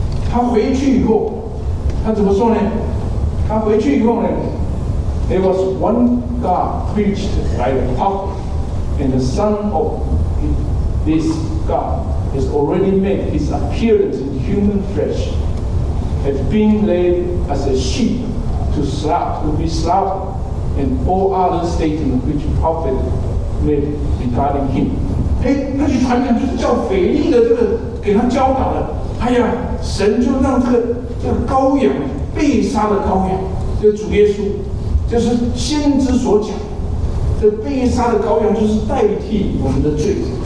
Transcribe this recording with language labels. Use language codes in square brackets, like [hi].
[zh] 他回去以后，他怎么说呢？他回去以后呢 [en] ，There was one God preached by the prophet, and the son of this God has already made his appearance in human flesh, has been led as a sheep to be slaughtered.” And all other statements which prophet made regarding him. [zh] 哎，那句传讲就是叫腓力的这个给他教导的。哎呀，神就让这个羔羊被杀的羔羊，这个主耶稣，就是先知所讲，这被杀的羔羊就是代替我们的罪。